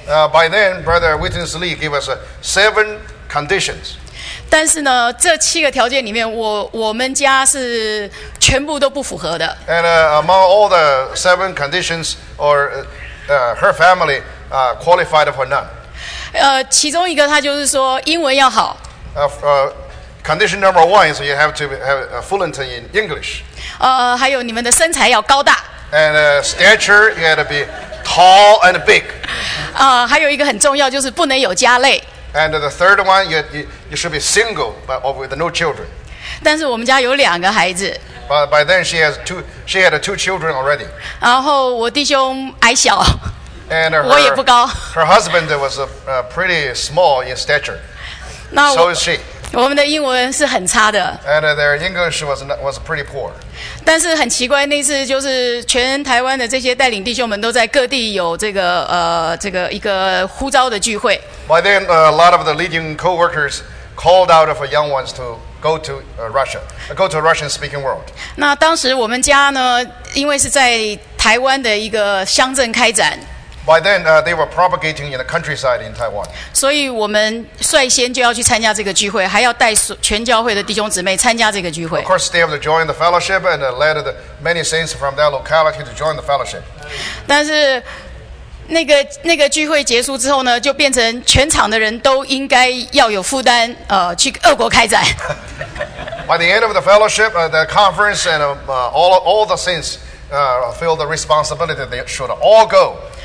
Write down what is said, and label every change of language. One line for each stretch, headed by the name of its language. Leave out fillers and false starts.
English: By then, Brother Witness Lee gave us seven conditions.
Chinese: 但是呢，这七个条件里面，我们家是全部都不符合的。
English: And among all the seven conditions, or her family qualified for none.
Chinese: 其中一个他就是说英文要好。
English: Condition number one is you have to have a fluent in English.
Chinese: 还有你们的身材要高大。
English: And stature you have to be tall and big.
Chinese: 还有一个很重要就是不能有家累。
English: And the third one you should be single but with no children.
Chinese: 但是我们家有两个孩子。
English: But by then she had two children already.
Chinese: 然后我弟兄矮小。
English: And
Chinese: 我也不高。
English: Her husband was pretty small in stature.
Chinese: 那
English: so is she.
Chinese: 我们的英文是很差的。
English: And their English was pretty poor.
Chinese: 但是很奇怪，那次就是全台湾的这些带领弟兄们都在各地有这个一个呼召的聚会。
English: By then, a lot of the leading co-workers called out for young ones to go to Russia, go to Russian-speaking world.
Chinese: 那当时我们家呢，因为是在台湾的一个乡镇开展。
English: By then, they were propagating in the countryside in Taiwan.
Chinese: 所以我们率先就要去参加这个聚会，还要带全教会的弟兄姊妹参加这个聚会。
English: Of course, they have to join the fellowship and led the many saints from that locality to join the fellowship.
Chinese: 但是那个聚会结束之后呢，就变成全场的人都应该要有负担，去俄国开展。
English: By the end of the fellowship, the conference, and all the saints feel the responsibility they should all go.